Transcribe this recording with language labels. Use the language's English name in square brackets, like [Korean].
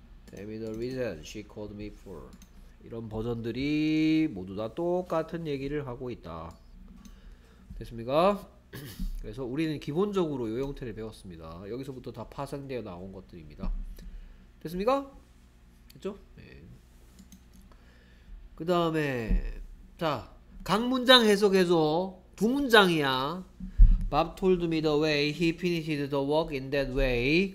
[English] Tell me the reason she called me for. [Korean] 이런 버전들이 모두 다 똑같은 얘기를 하고 있다. 됐습니까? 그래서 우리는 기본적으로 요 형태를 배웠습니다. 여기서부터 다 파생되어 나온 것들입니다. 됐습니까? 됐죠? 네. 그 다음에 자, 각 문장 해석해서 두 문장이야. [English] Bob told me the way he finished the work in that way.